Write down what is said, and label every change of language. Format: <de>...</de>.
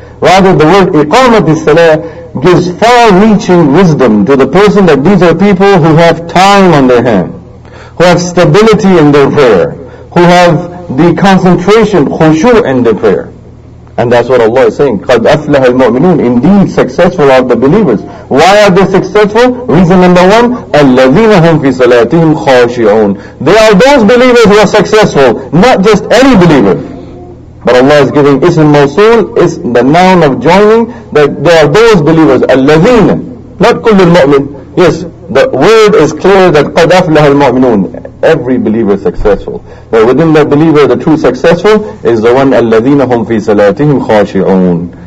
<en>Rather, the word iqamati as-salat gives far-reaching wisdom to the person that these are people who have time on their hand, who have stability in their prayer, who have the concentration, khushu' in their prayer. And that's what Allah is saying,</en> <ar>قَدْ أَفْلَحَ الْمُؤْمِنُونَ.</ar> <en>Indeed, successful are the believers. Why are they successful? Reason number one,</en> <ar>الَّذِينَ هُمْ فِي صَلَاتِهِمْ خَاشِعُونَ.</ar> <en>They are those believers who are successful, not just any believer. But Allah is giving ism mawsool, is the noun of joining, that there are those believers, al-lazeen, not</en> <ar>kullu al-mu'min.</ar> <en>Yes, the word is clear that</en> <ar>قَدْ أَفْلَحَ الْمُؤْمِنُونَ.</ar> <en>Every believer is successful. But within that believer, the true successful is the one</en> <ar>al-lazeen hum fi salatihim khashi'un.</ar>